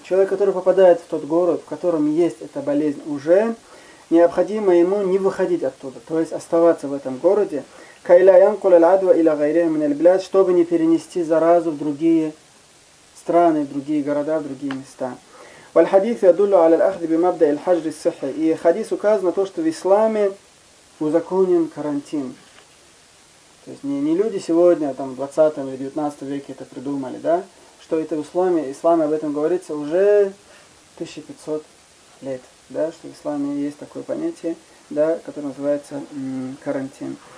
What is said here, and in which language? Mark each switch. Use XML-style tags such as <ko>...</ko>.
<ru>Человек, который попадает в тот город, в котором есть эта болезнь уже, необходимо ему не выходить оттуда, то есть оставаться в этом городе.</ru> <ar>Кайля янкуля ладва иля гайрия мин аль-блад,</ar> <ru>чтобы не перенести заразу в другие страны, в другие города, в другие места.</ru> <ar>والحديث يدل على الأخذ بمبدأ الحجر الصحي.</ar> <ru>И хадис указывает на то, что в исламе узаконен карантин. То есть не люди сегодня, там, в 20 или 19 веке это придумали, да? Что это в исламе, об этом говорится уже 1500 лет, да? Что в исламе есть такое понятие, да, которое называется карантин.</ru>